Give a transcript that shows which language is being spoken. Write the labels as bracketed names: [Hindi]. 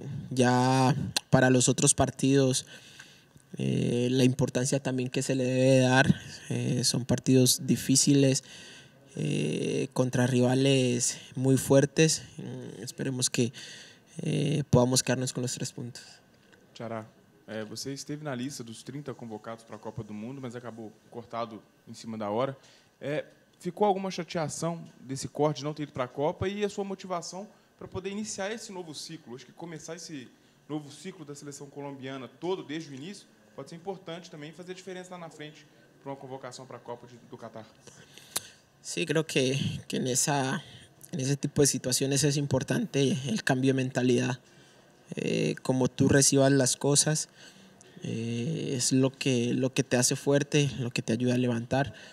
[Spanish] Ya para los otros partidos, la importancia también que se le debe dar. Son partidos difíciles, contra rivales muy fuertes. Esperemos que podamos quedarnos con los tres puntos. [Portuguese] Xará, você esteve na lista dos 30 convocados para a Copa do Mundo, mas acabou cortado em cima da hora. Ficou alguma chateação desse corte de não ter ido para a Copa e a sua motivação para poder iniciar esse novo ciclo? Acho que começar esse novo ciclo da seleção colombiana todo desde o início pode ser importante também fazer a diferença lá na frente para uma convocação para a Copa do Catar. Sim, acho que nesse tipo de situações é importante o cambio de mentalidade. [Spanish] Como tú recibas las cosas, es lo que te hace fuerte, lo que te ayuda a levantar.